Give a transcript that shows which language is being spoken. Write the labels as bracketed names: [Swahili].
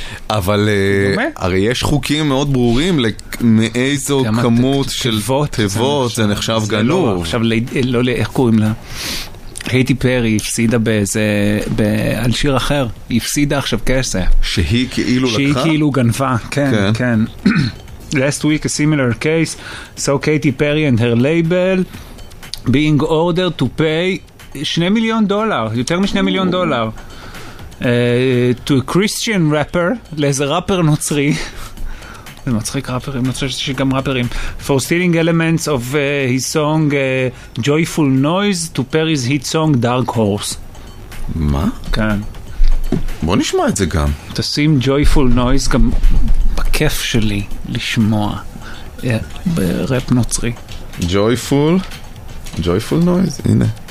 [Hebrew] אבל הרי יש חוקים מאוד ברורים מאיזו כמות של תיבות זה נחשב גנוב. עכשיו לא, איך קוראים לה? קייטי פרי הפסידה באיזה, על שיר אחר, הפסידה עכשיו כסף שהיא כאילו לקחה? שהיא כאילו גנבה, כן, כן. [English] Last week a similar case saw Katy Perry and her label being ordered to pay $2 million, [Hebrew] יותר משני מיליון דולר, [English] to a Christian rapper, [Hebrew] לאיזה ראפר נוצרי, זה מצחיק ראפרים, אני חושב שיש גם ראפרים, [English] for stealing elements of his song Joyful Noise to Perry's hit song Dark Horse. [Hebrew] מה? כן, בוא נשמע את זה גם. תשים Joyful Noise גם בכיף שלי לשמוע ברפ נוצרי. [English] Joyful, Joyful Noise, הנה.